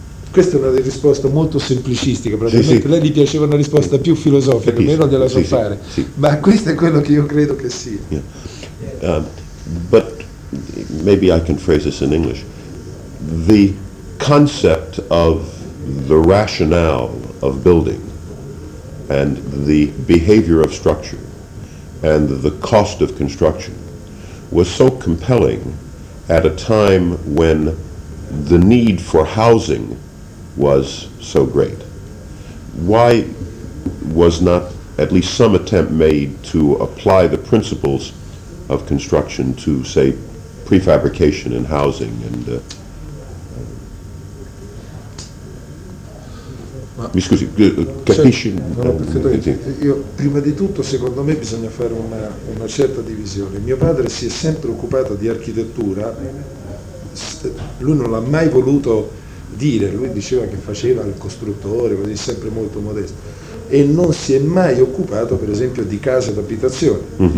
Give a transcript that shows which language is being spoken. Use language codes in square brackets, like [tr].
[it] Questa è una risposta molto semplicistica, praticamente sì, sì. Lei gli piaceva una risposta più filosofica, capisco. Meno gliela so sì, fare, sì, sì. Ma questo è quello che io credo che sia. [en] But maybe I can phrase this in English. The concept of the rationale of building and the behavior of structure and the cost of construction was so compelling at a time when the need for housing was so great. Why was not at least some attempt made to apply the principles of construction to, say, prefabrication and housing and [it] mi scusi, capisci? Io prima di tutto, secondo me, bisogna fare una certa divisione. Mio padre si è sempre occupato di architettura, lui non l'ha mai voluto dire, lui diceva che faceva il costruttore, quindi sempre molto modesto, e non si è mai occupato, per esempio, di case d'abitazione, mm-hmm.